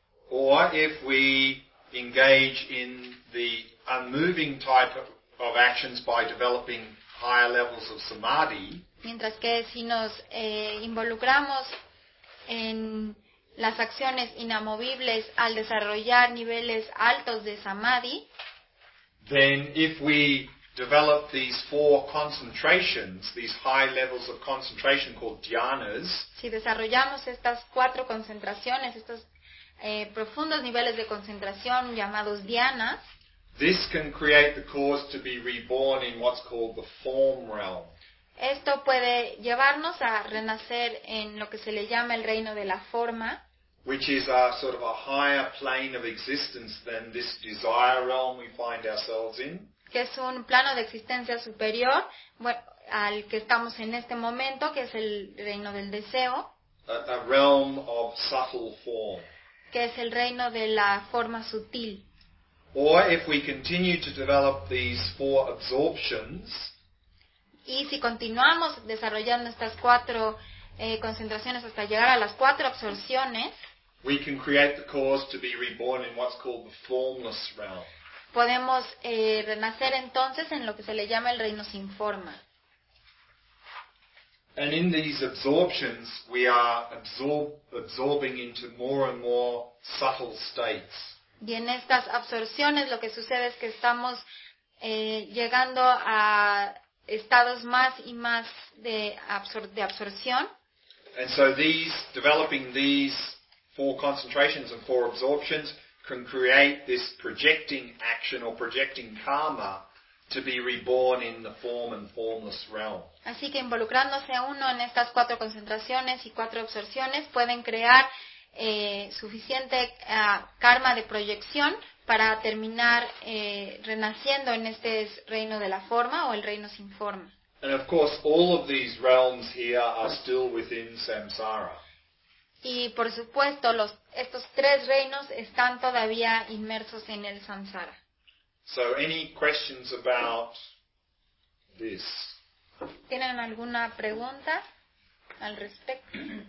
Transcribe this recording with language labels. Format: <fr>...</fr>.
<en>Or if we engage in the unmoving type of actions by developing higher levels of samadhi.</en> <es>Mientras que si nos involucramos en las acciones inamovibles al desarrollar niveles altos de samadhi.</es> <en>Then if we develop these four concentrations, these high levels of concentration called dhyanas.</en> <es>Si desarrollamos estas cuatro concentraciones, estos profundos niveles de concentración llamados dhyanas.</es> <en>This can create the cause to be reborn in what's called the form realm.</en> <es>Esto puede llevarnos a renacer en lo que se le llama el reino de la forma,</es> <en>which is a sort of a higher plane of existence than this desire realm we find ourselves in.</en> <es>Que es un plano de existencia superior al que estamos en este momento, que es el reino del deseo.</es> <en>A realm of subtle form.</en> <es>Que es el reino de la forma sutil.</es> <en>Or if we continue to develop these four absorptions,</en> <es>y si continuamos desarrollando estas cuatro concentraciones hasta llegar a las cuatro absorciones,</es> <en>we can create the cause to be reborn in what's called the formless realm.</en> <es>Podemos renacer entonces en lo que se le llama el reino sin forma.</es> <en>And in these absorptions, we are absorbing into more and more subtle states.</en> <es>Y en estas absorciones lo que sucede es que estamos llegando a estados más y más de absorción.</es> <en>And so developing these four concentrations and four absorptions can create this projecting action or projecting karma to be reborn in the form and formless realm.</en> <es>Así que involucrándose uno en estas cuatro concentraciones y cuatro absorciones pueden crear suficiente karma de proyección para terminar renaciendo en este reino de la forma o el reino sin forma.</es> <en>And of course, all of these realms here are still within samsara.</en> <es>Y por supuesto, estos tres reinos están todavía inmersos en el samsara.</es> <en>So, any questions about this?</en> <es>¿Tienen alguna pregunta al respecto?</es>